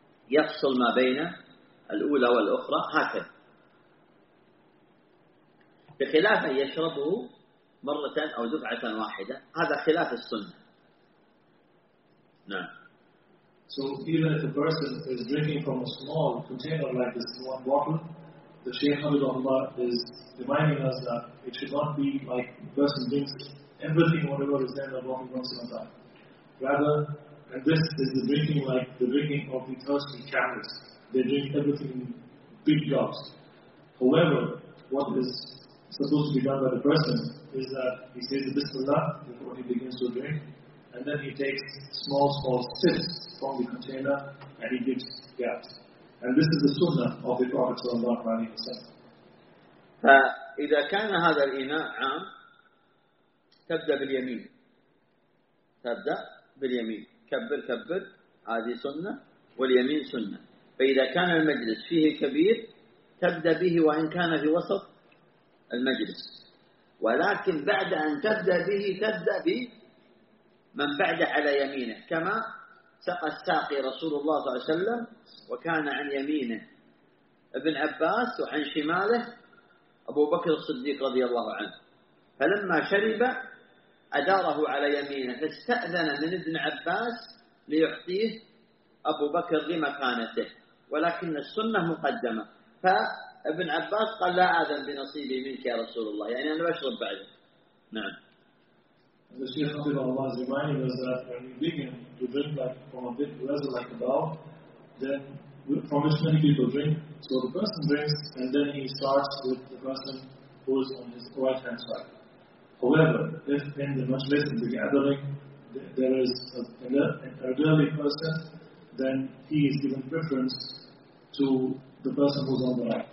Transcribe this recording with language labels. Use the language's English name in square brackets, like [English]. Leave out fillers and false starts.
[Arabic] يفصل ما بين الأولى والأخرى هكذا، بخلاف أن يشربه مرة أو دفعة واحدة، هذا خلاف السنة. نعم. [English] So even if a person is drinking from a small container like this one bottle, the Shaykh Hamidullah is reminding us that it should not be like the person drinks everything whatever is there in the bottle once in a time. Rather, and this is the drinking like the drinking of the thirsty camels. They drink everything in big drops. However, what is supposed to be done by the person is that he says the Bismillah before he begins to drink, and then he takes small sips from the container and he gives gaps. And this is the sunnah of the Prophet sallallahu alaihi wasallam. [Arabic] فإذا كان هذا الإناء عام تبدأ باليمين. تبدأ باليمين. كبر كبر، هذه سنة، واليمين سنة. فإذا كان المجلس فيه كبير تبدأ به وإن كان في وسط المجلس، ولكن بعد أن تبدأ به تبدأ بمن بعد على يمينه، كما سقى الساقي رسول الله صلى الله عليه وسلم وكان عن يمينه ابن عباس وعن شماله أبو بكر الصديق رضي الله عنه، فلما شرب أداره على يمينه، فاستأذن من ابن عباس ليعطيه أبو بكر لمكانته، ولكن السنة مقدمة. فابن عباس قال لا أذن بنصيبي منك يا رسول الله، يعني أنا بشرب بعده. نعم. [English] The Shaykh of Allah is reminding us that when we begin to drink like from a bit lesser like a bowl, then from which many people drink, so the person drinks and then he starts with the person who is on his right hand side. However, if in the majlis, in the gathering, there is an elderly person, then he is given preference to the person who is on the right.